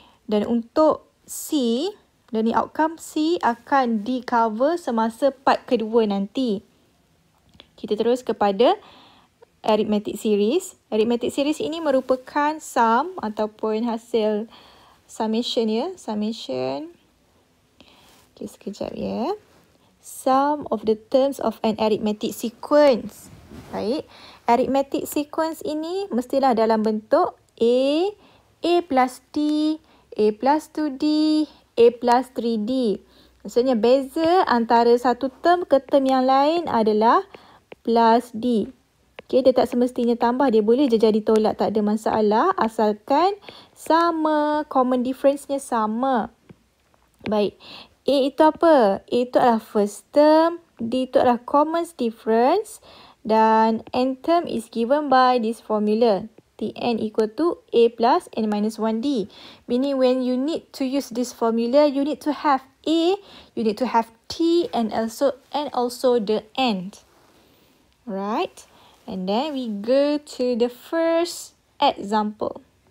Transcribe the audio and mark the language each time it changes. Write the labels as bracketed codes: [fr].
[ms] Dan untuk C, [en] learning outcome C [ms] akan di-cover semasa part kedua nanti. Kita terus kepada aritmetik series. Aritmetik series ini merupakan sum ataupun hasil summation ya. Summation. Okay, sekejap ya. [en] Sum of the terms of an arithmetic sequence. [ms] Baik. Arithmetic sequence ini mestilah dalam bentuk A, A plus D, A plus 2D, A plus 3D. Maksudnya beza antara satu term ke term yang lain adalah plus D. Okay, dia tak semestinya tambah, dia boleh je jadi tolak, tak ada masalah asalkan sama, common difference-nya sama. Baik, A itu apa? A itu adalah [en] first term, [ms] D itu adalah [en] common difference [ms] dan [en] N term is given by this formula. Tn equal to A plus N minus 1D. Meaning when you need to use this formula, you need to have A, you need to have T and also the N. Right? And then we go to the first example.